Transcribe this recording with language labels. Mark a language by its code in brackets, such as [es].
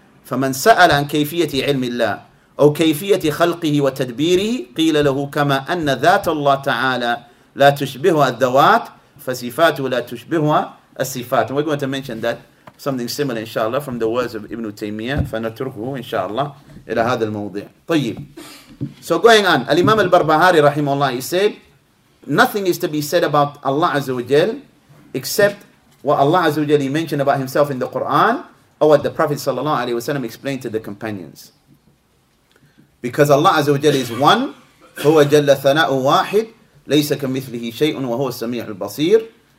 [ar] فَمَنْ سَأَلَ عَنْ كَيْفِيَةِ عِلْمِ اللَّهِ أَوْ كَيْفِيَةِ خَلْقِهِ وَتَدْبِيرِهِ قِيلَ لَهُ كَمَا أَنَّ ذَاتَ اللَّهِ تَعَالَى لَا تُشْبِهُهَا الذَّوَاتِ فَصِفَاتُهُ لَا تُشْبِهُهَا الصِّفَاتِ. [en] And we're going to mention that something similar, inshallah, from the words of Ibn Taymiyyah. [ar] فَنَتُرْكُهُ inshallah إِلَى هَذَا الْمَوْضِعِ. طيب. [en] So going on, Al-Imam al-Barbahari rahimahullah, he said, nothing is to be said about Allah Azza wa Jal except what Allah Azza wa Jal mentioned about himself in the Quran, or what the Prophet sallallahu alayhi wa sallam explained to the companions. Because Allah Azza wa Jal is one, [ar] هُوَ جَلَّ ثَنَاءُ وَاحِدْ لَيْسَ كَمِثْلِهِ شَيْءٌ وَهُوَ السَّمِيعُ الْبَصِيرُ.